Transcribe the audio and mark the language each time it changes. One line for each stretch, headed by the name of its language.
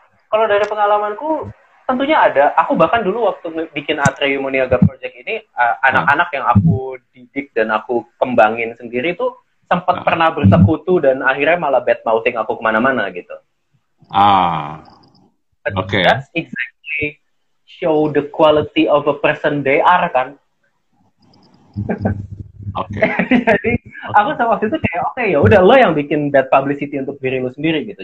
Indonesian: Kalau dari pengalamanku tentunya ada. Aku bahkan dulu waktu bikin Atrium Niaga Project ini anak-anak yang aku didik dan aku kembangin sendiri tuh sempat pernah bersekutu dan akhirnya malah
English: bad mouthing
Indonesian: aku kemana-mana gitu. Ah, oke. Okay.
English: That's exactly show the quality of a person they are kan. Oke.
Indonesian: Okay. Jadi okay. Aku sama waktu itu kayak oke okay, ya udah lo yang bikin
English: bad publicity
Indonesian: untuk diri lo sendiri gitu.